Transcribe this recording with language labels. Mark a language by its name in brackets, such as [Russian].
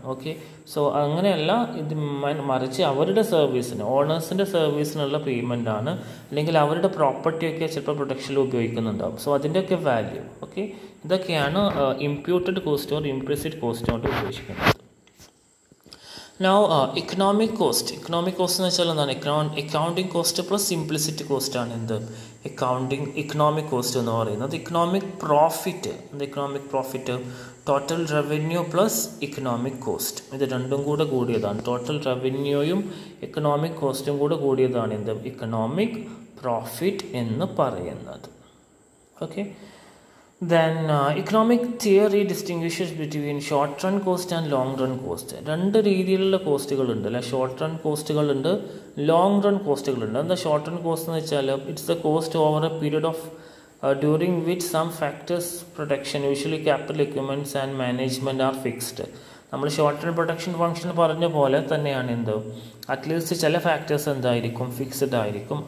[Malayalam] Okay, so അങ്ങനെയല്ല, ഇത് മറിച്ച് അവരുടെ സർവീസിന്, ഓണേഴ്സിൻ്റെ സർവീസിനുള്ള പേയ്മെൻ്റ് ആണ്, അല്ലെങ്കിൽ അവരുടെ പ്രോപ്പർട്ടിയൊക്കെ ചിലപ്പോൾ പ്രൊഡക്ഷനിൽ ഉപയോഗിക്കുന്നുണ്ടാവും. സോ അതിൻ്റെയൊക്കെ വാല്യൂ, ഓക്കെ, ഇതൊക്കെയാണ് imputed cost or implicit cost കൊണ്ട് ഉദ്ദേശിക്കുന്നത്. [English] Now, economic cost. [Malayalam] Economic cost എന്ന് വെച്ചാൽ എന്താണ്, accounting cost plus implicit cost ആണ് എന്ത് accounting economic cost എന്ന് പറയുന്നത്. [English] Economic profit, economic profit, total revenue plus economic cost, [Malayalam] ഇത് രണ്ടും കൂടെ കൂടിയതാണ്. Total revenue-യും economic cost-ഉം കൂടെ കൂടിയതാണ് എന്ത് economic profit എന്ന് പറയുന്നത്. [English] Okay, then economic theory distinguishes between short run cost and long run cost. [Malayalam] രണ്ട് രീതിയിലുള്ള കോസ്റ്റുകൾ ഉണ്ട് അല്ലെ, ഷോർട്ട് റൺ കോസ്റ്റുകൾ ഉണ്ട്, ലോങ് റൺ കോസ്റ്റുകൾ ഉണ്ട്. എന്താ ഷോർട്ട് റൺ കോസ്റ്റ് എന്ന് വെച്ചാൽ [English] It's the cost over a period of during which some factors production usually capital equipments and management are fixed. [Malayalam] നമ്മൾ ഷോർട്ട് റൺ പ്രൊഡക്ഷൻ ഫംഗ്ഷൻ പറഞ്ഞ പോലെ തന്നെയാണ് എന്ത് അറ്റ്ലീസ്റ്റ് ചില ഫാക്ടേഴ്സ് എന്തായിരിക്കും ഫിക്സ്ഡ് ആയിരിക്കും.